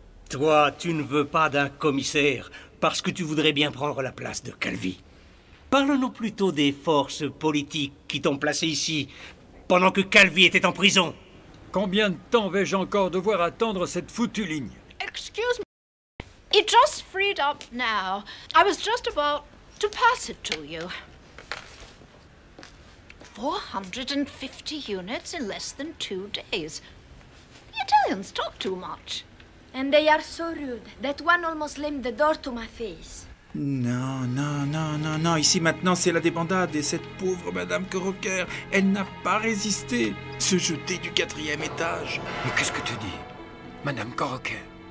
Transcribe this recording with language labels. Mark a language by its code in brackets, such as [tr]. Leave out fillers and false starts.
[fr] Toi, tu ne veux pas d'un commissaire parce que tu voudrais bien prendre la place de Calvi. Parle-nous plutôt des forces politiques qui t'ont placé ici, pendant que Calvi était en prison. Combien de temps vais-je encore devoir attendre cette foutue ligne? [en] Excuse me. It just freed up now. I was just about to pass it to you. 450 units in less than 2 days. The Italians talk too much. And they are so rude. That one almost slammed the door to my face. [fr] Non, non, non, non, non. Ici, maintenant, c'est la débandade. Et cette pauvre Madame Crocker, elle n'a pas résisté. Se jeter du quatrième étage. Mais qu'est-ce que tu dis, Madame Crocker?